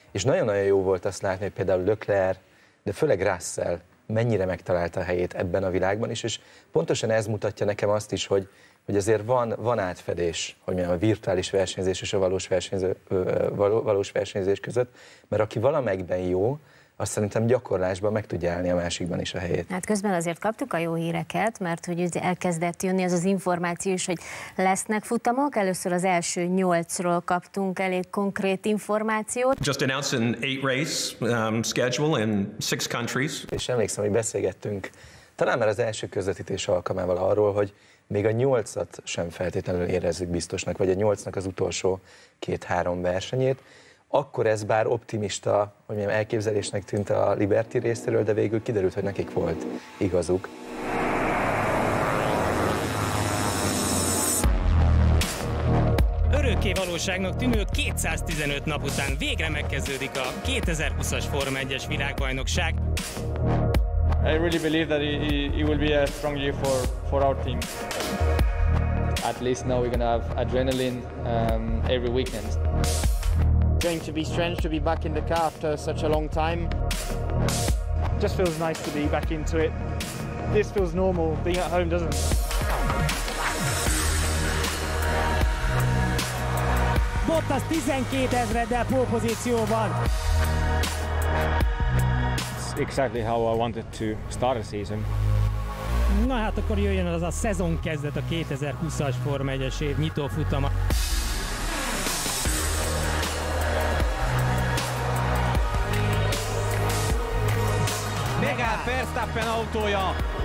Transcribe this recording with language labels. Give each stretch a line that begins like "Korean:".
Hungarian: És nagyon-nagyon jó volt azt látni, hogy például Leclerc, de főleg Russell mennyire megtalálta a helyét ebben a világban is, és pontosan ez mutatja nekem azt is, hogy azért van átfedés, hogy a virtuális versenyzés és a valós versenyző, valós versenyzés között, mert aki valamelyikben jó, azt szerintem gyakorlásban meg tudja állni a másikban is a helyét. Hát közben azért kaptuk a jó híreket, mert hogy elkezdett jönni az az információ is, hogy lesznek futamok. Először az első 8-ról kaptunk elég konkrét információt.
English: Just announced an 8 race schedule in 6 countries.
Hungarian: És emlékszem, hogy beszélgettünk talán már az első közvetítés alkalmával arról, hogy még a 8-at sem feltétlenül érezzük biztosnak, vagy a 8-nak az utolsó 2-3 versenyét. Akkor ez bár optimista, hogy milyen elképzelésnek tűnt a Liberty részéről, de végül kiderült, hogy nekik volt igazuk. Örökké valóságnak tűnő 215 nap után végre megkezdődik a 2020-as Forma 1-es világbajnokság.
English: I really believe that it will be a strong year for our team. At least now we're gonna have adrenaline every weekend. Going to be strange to be back in the car after such a long time. Just feels nice to be back into it. This feels normal, being at home, doesn't it?
Hungarian: Bottas 12,000-del pole pozícióban.
English: It's exactly how I wanted to start a season.
Hungarian: Na hát akkor jöjjön az a szezon kezdet, a 2020-as Forma 1-es év nyitófutama. Verstappen autója.